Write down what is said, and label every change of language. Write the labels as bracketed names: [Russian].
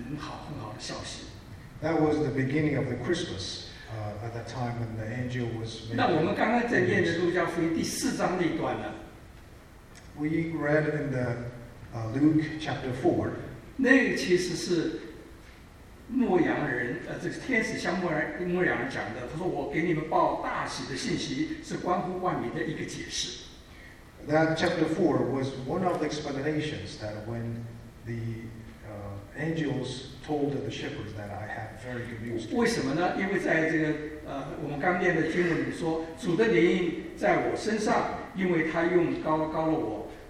[Chinese] 好，那在这就是这是当时开始圣诞节的这个起头，就是天使向这些牧羊人来报一个很好的消息。That [English] was the beginning of the Christmas at that time when the angel was. [Chinese] 那我们刚刚在念的路加福音第四章那段呢？We [English] read in the. Luke chapter 4. [Chinese] 那个其实是牧羊人，这个天使向牧羊人讲的。他说：“我给你们报大喜的信息，是关乎万民的一个解释。”That [English] chapter 4 was one of the explanations that when the angels told the shepherds that I have very good news. [Chinese] 为什么呢？因为在这个我们刚念的经文里说，主的灵在我身上，因为他用膏膏了我。